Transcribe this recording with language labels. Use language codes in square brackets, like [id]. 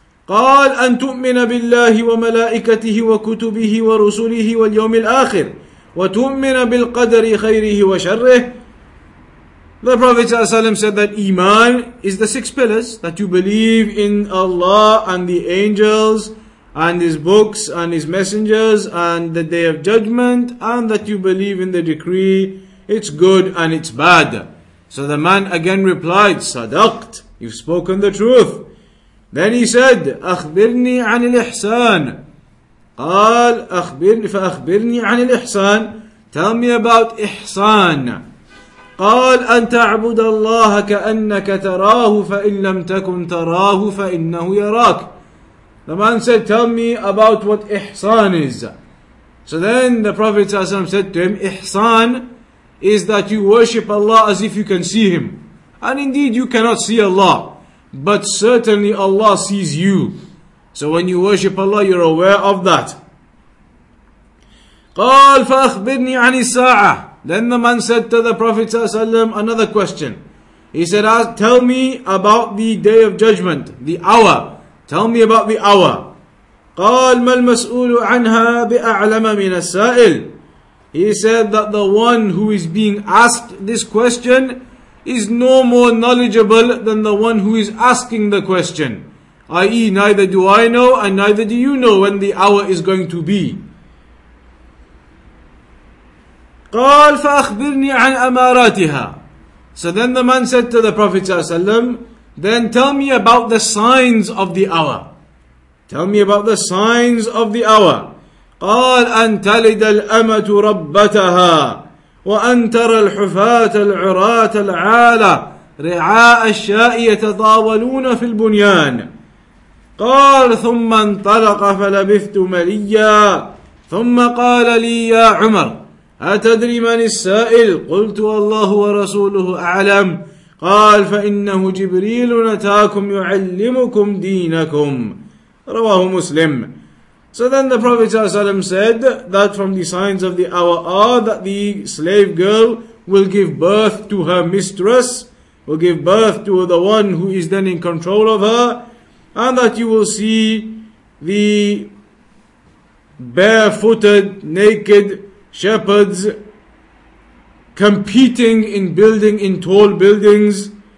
[ar] قال أن تؤمن بالله وملائكته وكتبه ورسله واليوم الآخر وتؤمن بالقدر خيره وشره. [en] The Prophet ﷺ said that Iman is the six pillars, that you believe in Allah and the angels and His books and His messengers and the Day of Judgment, and that you believe in the decree, it's good and it's bad. So the man again replied, Sadaqt, you've spoken the truth. Then he said, [ar] أخبرني عن الإحسان. قال أخبرني فأخبرني عن الإحسان. [en] Tell me about إحسان. [ar] قال أن تعبد الله كأنك تراه فإن لم تكن تراه فإنه يراك. [en] The man said, tell me about what إحسان is. So then the Prophet ﷺ said to him, إحسان is that you worship Allah as if you can see Him. And indeed you cannot see Allah, but certainly Allah sees you. So when you worship Allah, you're aware of that. [ar] قال فأخبرني عن الساعة. [en] Then the man said to the Prophet ﷺ another question. He said, tell me about the Day of Judgment, the hour. Tell me about the hour. [ar] قال ما المسؤول عنها بأعلم من السائل. [en] He said that the one who is being asked this question is no more knowledgeable than the one who is asking the question, i.e. neither do I know and neither do you know when the hour is going to be. [ar] قال فأخبرني عن أماراتها. [en] So then the man said to the Prophet ﷺ, then tell me about the signs of the hour. Tell me about the signs of the hour. [ar] قال أن تلد الأمة ربتها وأن ترى الحفاة العراة العالة رعاء الشاء يتطاولون في البنيان. قال ثم انطلق فلبثت مليا ثم قال لي يا عمر أتدري من السائل؟ قلت والله ورسوله أعلم. قال فإنه جبريل أتاكم يعلمكم دينكم. رواه مسلم. [en] So then the Prophet ﷺ said that from the signs of the hour are that the slave girl will give birth to her mistress, will give birth to the one who is then in control of her, and that you will see the barefooted, naked shepherds competing in building in tall buildings.